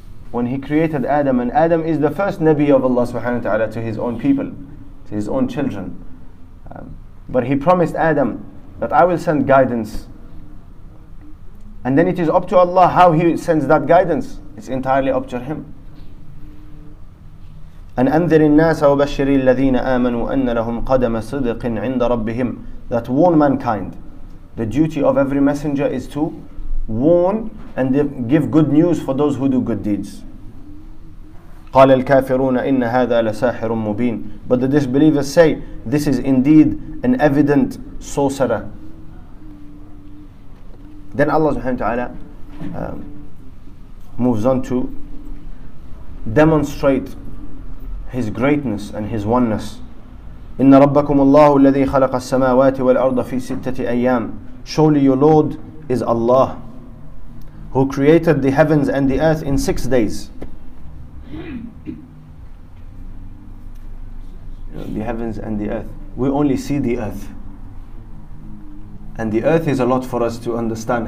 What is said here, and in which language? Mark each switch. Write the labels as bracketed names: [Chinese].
[English] When he created Adam, and Adam is the first Nabi of Allah subhanahu wa ta'ala to his own people, to his own children. But he promised Adam that I will send guidance. And then it is up to Allah how he sends that guidance. It's entirely up to him. [Arabic] And أنذر الناس وبشر الذين آمنوا أن لهم قدم صدق عند ربهم. [English] That warn mankind. The duty of every messenger is to warn and give good news for those who do good deeds. [Arabic] قال الكافرون إن هذا لساحر مبين. [English] But the disbelievers say, this is indeed an evident sorcerer. Then Allah subhanahu wa ta'ala moves on to demonstrate His greatness and His oneness. [Arabic] إن ربكم الله الذي خلق السماوات والأرض في ستة أيام. [English] Surely your Lord is Allah, who created the heavens and the earth in 6 days. The heavens and the earth. We only see the earth. And the earth is a lot for us to understand.